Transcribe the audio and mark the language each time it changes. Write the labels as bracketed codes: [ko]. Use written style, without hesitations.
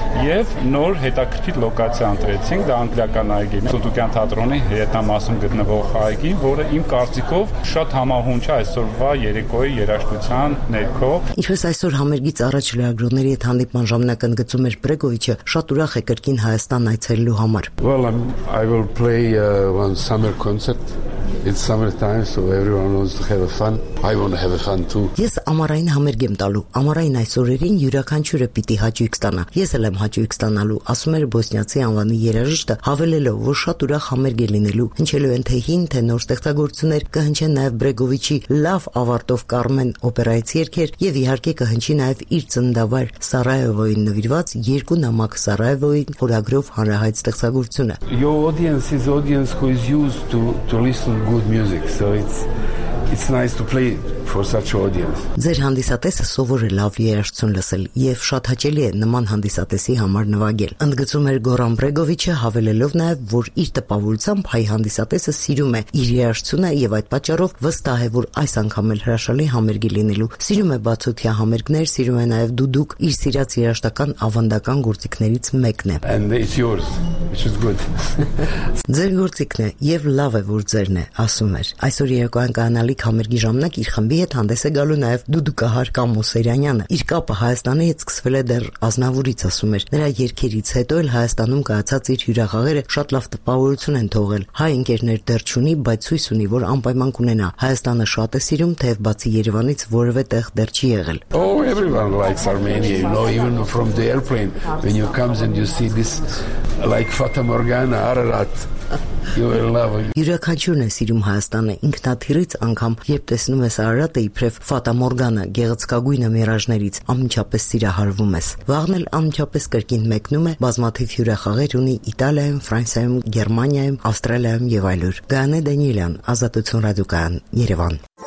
[hy] եւ նոր հետաքրքիր լոկացիա ընտրեցինք՝ դա Անգլիական այգին, Սուտուկյան թատրոնի հետամասում գտնվող այգին, որը իմ կարծիքով շատ համահունչ է այսօրվա երեկոյի երաժշտության ներքո։ Ինչպես այսօր համերգից առաջ լրագրողների հետ հանդիպման ժամանակ ընդգծում էր Բրեգովիչը, շատ ուրախ է կրկին Հայաստան այցելելու համար։ [en] Well, I will play one summer concert. It's summertime, so everyone wants to have fun. I want to have fun too. [hy] Ես ամառային համերգ եմ տալու։ Ամառային այսօրերին յուրաքանչյուրը պիտի հաճույք ստանա։ Ես էլ եմ հաճույք ստանալու, ասում էր բոսնիացի անվանի երաժիշտը, հավելելով, որ շատ ուրախ համերգ է լինելու, հնչելու են թե հին, թե նոր ստեղծագործություններ, կհնչեն նաև Բրեգովիչի լավ ավարտով Կարմեն օպերայից երգեր, և իհարկե կհնչի նաև իր ծննդավար Սարայևոյին նվիրված 2 նամակ Սարայևոյին խորագրով հանրահայտ ստեղծագործությունը։ [en] Your audience is audience who is used to listen good music, so it's nice to play forsaç audience. [hy] Ձեր հանդիսատեսը սովոր է լավ երաժշտություն լսել եւ շատ հաճելի է նման հանդիսատեսի համար նվագել։ Ընդգծում էր Գորան Բրեգովիչը, հավելելով նաեւ, որ իր տպավորությամբ հայ հանդիսատեսը սիրում է իր երաժշտությունը եւ այդ պատճառով վստահ է, որ այս անգամ էլ հրաշալի համերգի լինելու։ Սիրում է բացօթյա համերգներ, սիրում է նաեւ դուդուկ, իր սիրած երաժշտական ավանդական գործիքներից մեկն է։ [en] And it's yours, which is good. [hy] Ձեր գործիքն է եւ լավ է, որ ձերն է, ասում էր։ Այսօր երեկոյան կանալի համերգի ժամանակ իր խմբի հետ հանդես է գալու նաեւ դուդուկահար Կամոսերյանը։ Իր կապը Հայաստանի հետ սկսվել է դեռ Ազնավուրից, ասում էր։ Նրա երգերից հետո էլ Հայաստանում կայացած իր հյուրախաղերը շատ լավ տպավորություն են թողել։ Հայ ընկերներ դեռ չունի, բայց ցույց ունի, որ անպայման կունենա։ Հայաստանը շատ է սիրում, թեև բացի Երևանից որևէ տեղ դեռ չի եղել։ [en] Oh, everyone likes Armenia, you know, even from the airplane when you comes and you see this like Fata Morgana, Ararat. [hy] Յուրաքանչյուրն է սիրում Հայաստանը, ինքնաթիռից անգամ, երբ տեսնում ես Արարատը, իբրև Ֆատա Մորգանա, գեղեցկագույնը միրաժներից, անմիջապես սիրահարվում ես։ Վաղն էլ անմիջապես կրկին մեկնում է, բազմաթիվ հյուրախաղեր ունի Իտալիայում, Ֆրանսիայում, Գերմանիայում, Ավստրալիայում եւ այլուր։ Գանե Դանիելյան, Ազատություն ռադիոկայան, Երևան։